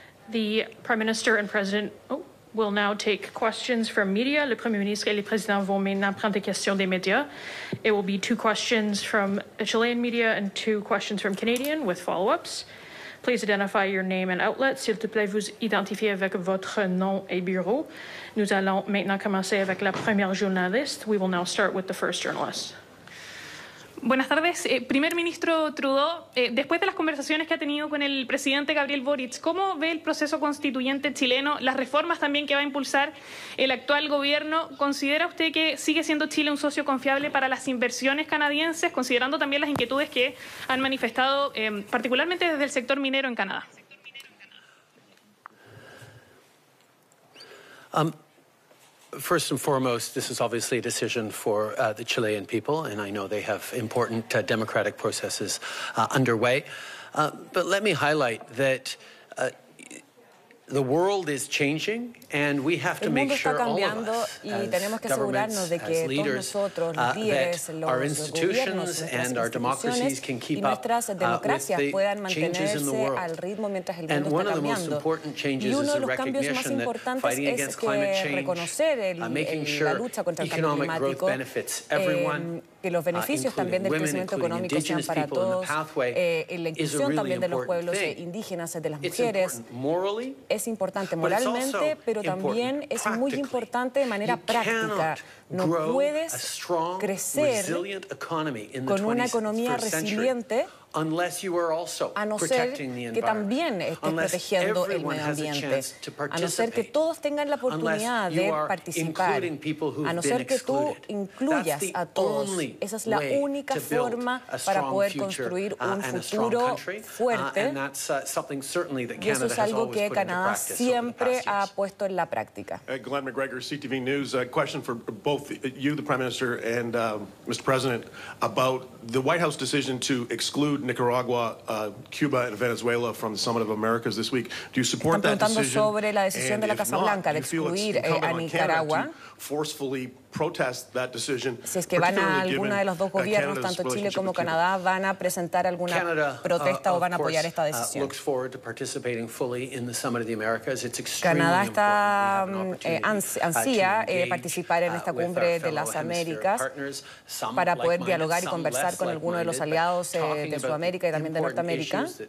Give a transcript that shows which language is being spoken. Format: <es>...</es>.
<en>The Prime Minister and President will now take questions from media.</en> <fr>Le Premier ministre et le Président vont maintenant prendre des questions des médias.</fr> <en>It will be two questions from Chilean media and two questions from Canadian with follow-ups. Please identify your name and outlet.</en> <fr>S'il te plaît, vous identifiez avec votre nom et bureau. Nous allons maintenant commencer avec la première journaliste.</fr> <en>We will now start with the first journalist.</en> <es>Buenas tardes. Primer ministro Trudeau, después de las conversaciones que ha tenido con el presidente Gabriel Boric, ¿cómo ve el proceso constituyente chileno, las reformas también que va a impulsar el actual gobierno? ¿Considera usted que sigue siendo Chile un socio confiable para las inversiones canadienses, considerando también las inquietudes que han manifestado, particularmente desde el sector minero en Canadá?</es> <en>First and foremost, this is obviously a decision for the Chilean people, and I know they have important democratic processes underway. But let me highlight that the world is changing, and we have to make sure all of us, as governments, as leaders, that our institutions and our democracies can keep up with the changes in the world. And one of the most important changes is the recognition that fighting against climate change, making sure economic growth benefits everyone,</en> <es>que los beneficios también del crecimiento económico sean para todos, la inclusión también de los pueblos indígenas, de las mujeres, es importante moralmente, pero también es muy importante de manera práctica. No puedes crecer con una economía resiliente</es> <en>unless you are also protecting the environment, unless everyone has a chance to participate, unless you are including people who have been excluded. That's the only way to build a strong future and a strong country, and that's something certainly that Canada has always put into practice over the past years. Glenn McGregor, CTV News. A question for both you, the Prime Minister, and Mr. President, about the White House decision to exclude Nicaragua, Cuba and Venezuela from the Summit of Americas this week. Do you support that decision?</en> <es>Sobre la decisión de la Casa Blanca de excluir a Nicaragua.</es> <en>Forcefully protest that decision.</en> <es>Si es que van a alguno de los dos gobiernos, tanto Chile como Canadá, van a presentar alguna protesta o van a apoyar esta decisión.</es> <en>Looks forward to participating fully in the Summit of the Americas. It's extremely important.</en> <es>Canadá está ansía participar en esta cumbre de las Américas para poder dialogar y conversar con alguno de los aliados de Sudamérica y también de Norteamérica.</es>